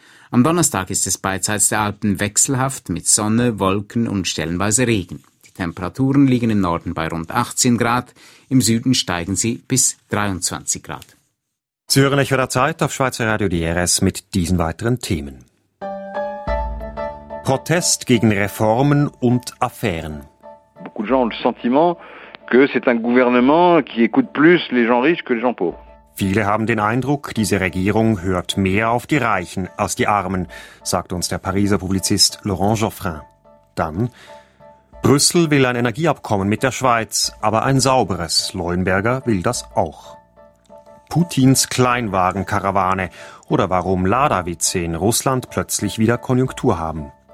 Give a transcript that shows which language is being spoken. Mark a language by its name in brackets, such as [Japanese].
[German] Am Donnerstag ist es beidseits der Alpen wechselhaft mit Sonne, Wolken und stellenweise Regen. Temperaturen liegen im Norden bei rund 18 Grad, im Süden steigen sie bis 23 Grad. Zürich oder Zeit auf Schweizer Radio DRS mit diesen weiteren Themen. Protest gegen Reformen und Affären. [French] Beaucoup de gens ont le sentiment que c'est un gouvernement qui écoute plus les gens riches que les gens pauvres. [German] Viele haben den Eindruck, diese Regierung hört mehr auf die Reichen als die Armen, sagt uns der Pariser Publizist Laurent Geoffrin. Dann Brüssel will ein Energieabkommen mit der Schweiz, aber ein sauberes. Leuenberger will das auch. Putins Kleinwagenkarawane oder warum Ladawitze in Russland plötzlich wieder Konjunktur haben.